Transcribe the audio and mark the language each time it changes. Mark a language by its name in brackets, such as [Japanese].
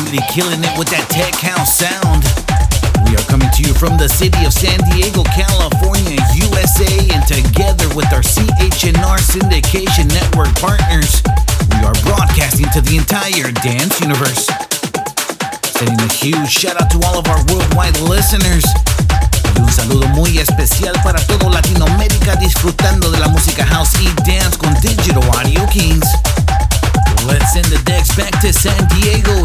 [English] Killing it with that tech house sound. We are coming to you from the city of San Diego, California, USA, and together with our CHNR syndication network partners, we are broadcasting to the entire dance universe. Sending a huge shout out to all of our worldwide listeners. [Spanish] Y un saludo muy especial para todo Latinoamérica disfrutando de la música house y dance con Digital Audio Kings. [English] Let's send the decks back to San Diego.